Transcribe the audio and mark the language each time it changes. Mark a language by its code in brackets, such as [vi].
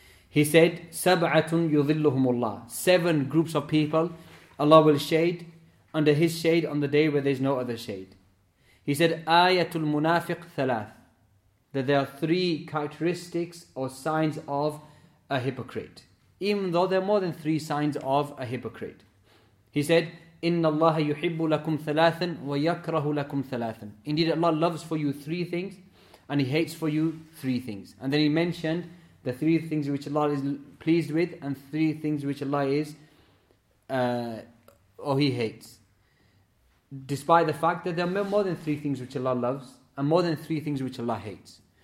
[en] He said, [ar] سبعة يظلهم الله, [en] seven groups of people Allah will shade under his shade on the day where there is no other shade. He said, [ar] آية المنافق ثلاث, [en] that there are three characteristics or signs of a hypocrite, even though there are more than three signs of a hypocrite. [ar] He said, إِنَّ اللَّهَ يُحِبُّ لَكُمْ ثَلَاثًا وَيَكْرَهُ لَكُمْ ثَلَاثًا. [en] Indeed, Allah loves for you three things, and He hates for you three things. And then he mentioned the three things which Allah is pleased with, and three things which Allah is, or He hates. Despite the fact that there are more than three things which Allah loves, and more than three things which Allah hates.